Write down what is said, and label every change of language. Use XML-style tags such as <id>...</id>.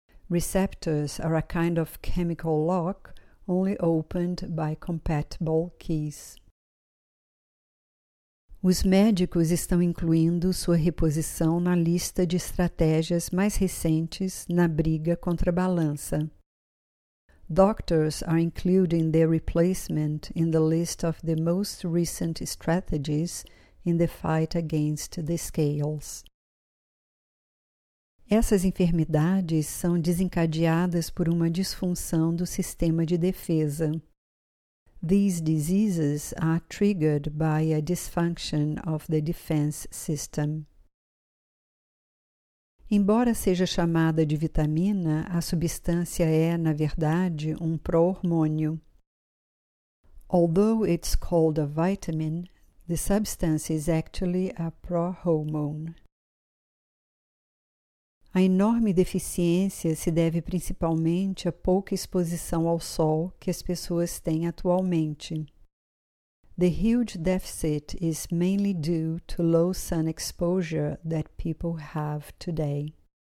<en>Receptors are a kind of chemical lock only opened by compatible keys.</en> <pt>Os médicos estão incluindo sua reposição na lista de estratégias mais recentes na briga contra a balança.</pt> <en>Doctors are including their replacement in the list of the most recent strategies in the fight against the scales.</en> <pt>Essas enfermidades são desencadeadas por uma disfunção do sistema de defesa.</pt> <en>These diseases are triggered by a dysfunction of the defense system.</en> <pt>Embora seja chamada de vitamina, a substância é, na verdade, um pró-hormônio.</pt> <en>Although it's called a vitamin, the substance is actually a pro-hormone.</en> <pt>A enorme deficiência se deve principalmente à pouca exposição ao sol que as pessoas têm atualmente.</pt> <en>The huge deficit is mainly due to low sun exposure that people have today.</en>